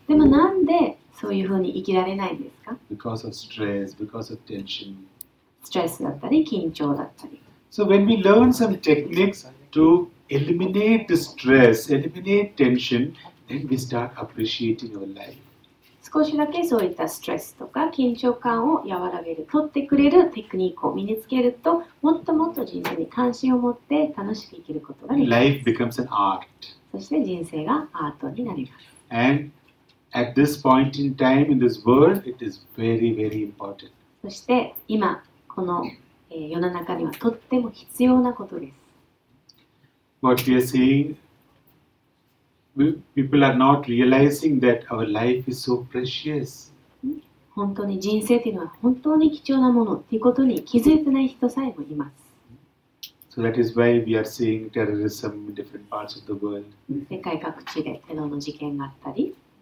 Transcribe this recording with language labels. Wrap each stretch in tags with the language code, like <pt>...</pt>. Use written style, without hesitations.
<ja>でもなんでそういうふうに生きられないんですか？</ja> <en>Because of stress, because of tension.</en> <ja>ストレスだったり緊張だったり。</ja> <en>So when we learn some techniques, to eliminate the stress, eliminate tension, then we start appreciating our life.</en> <ja>少しだけそういったストレスとか緊張感を和らげる、取ってくれるテクニックを身につけると、もっともっと人生に関心を持って楽しく生きることができます。</ja> <en>Life becomes an art.</en> <ja>そして人生がアートになります。</ja> <en>And at this point in time in this world, it is very, very important.</en> <ja>そして今この世の中にはとっても必要なことです。</ja> <en>What we are seeing, people are not realizing that our life is so precious.</en> <ja>本当に人生というのは本当に貴重なものということに気づいてない人さえもいます。</ja> <en>So that is why we are seeing terrorism in different parts of the world.</en> <ja>世界各地でテロの事件があったり。</ja>